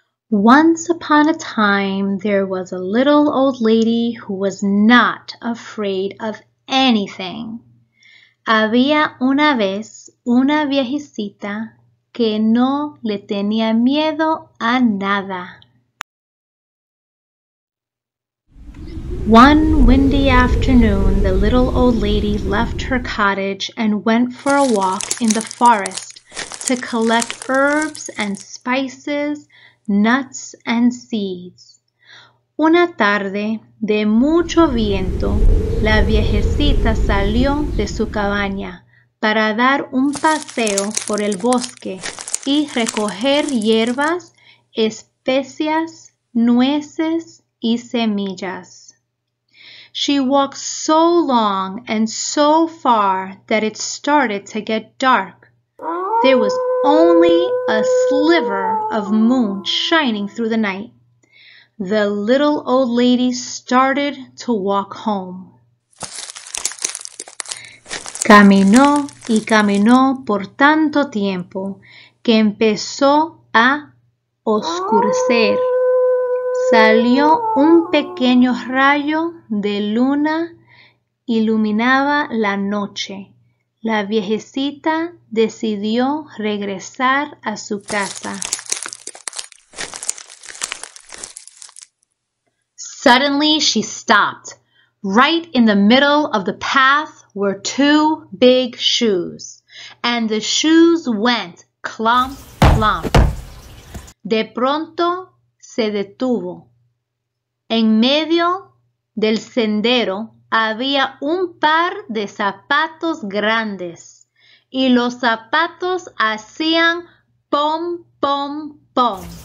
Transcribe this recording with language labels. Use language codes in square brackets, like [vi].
[en] Once upon a time, there was a little old lady who was not afraid of anything. [es] Había una vez una viejecita que no le tenía miedo a nada. [en] One windy afternoon, the little old lady left her cottage and went for a walk in the forest to collect herbs and spices, nuts and seeds. [es] Una tarde de mucho viento, la viejecita salió de su cabaña para dar un paseo por el bosque y recoger hierbas, especias, nueces y semillas. [en] She walked so long and so far that it started to get dark. There was only a sliver of moon shining through the night. The little old lady started to walk home. [es] Caminó y caminó por tanto tiempo que empezó a oscurecer. Salió un pequeño rayo de luna, iluminaba la noche. La viejecita decidió regresar a su casa. [en] Suddenly, she stopped, right in the middle of the path were two big shoes, and the shoes went clomp, clomp. [es] De pronto, se detuvo. En medio del sendero había un par de zapatos grandes, y los zapatos hacían pom, pom, pom.